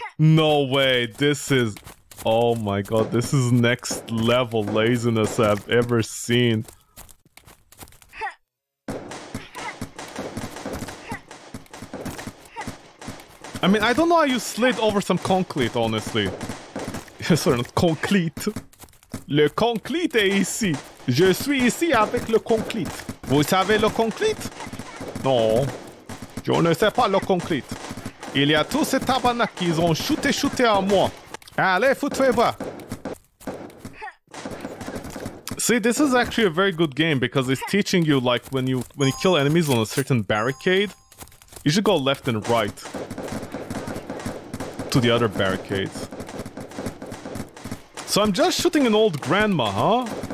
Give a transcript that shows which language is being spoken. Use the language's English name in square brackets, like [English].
[English] No way, this is... Oh my god, this is next level laziness I've ever seen. I mean, I don't know how you slid over some concrete, honestly. Sorry, not concrete. [French] Le concrete est ici. Je suis ici avec le concrete. Vous savez le concrete? Non. Je ne sais pas le concrete. Il y a tous ces tabarnak qui ont shooté à moi. Allez, foutez-vous. [English] See, this is actually a very good game because it's teaching you, like, when you kill enemies on a certain barricade, you should go left and right. To the other barricades. So I'm just shooting an old grandma, huh?